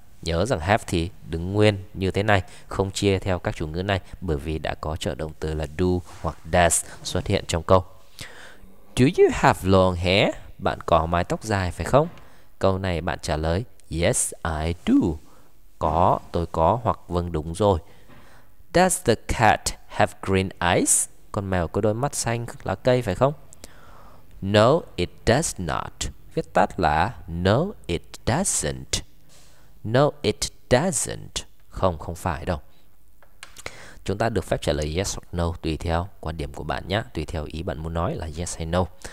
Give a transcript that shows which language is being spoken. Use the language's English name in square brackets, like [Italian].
[Vietnamese] Nhớ rằng have thì đứng nguyên như thế này, không chia theo các chủ ngữ này, bởi vì đã có trợ động từ là do hoặc does xuất hiện trong câu. [English] Do you have long hair? [Vietnamese] Bạn có mái tóc dài phải không? Câu này bạn trả lời [English] yes I do, [Vietnamese] có, tôi có, hoặc vâng đúng rồi. [English] Does the cat have green eyes? [Vietnamese] Con mèo có đôi mắt xanh lá cây phải không? [English] No, it does not. [Vietnamese] Viết tắt là [English] no, it doesn't. No, it doesn't. [Vietnamese] Không, không phải đâu. Chúng ta được phép trả lời yes or no tùy theo quan điểm của bạn nhé, tùy theo ý bạn muốn nói là yes hay no.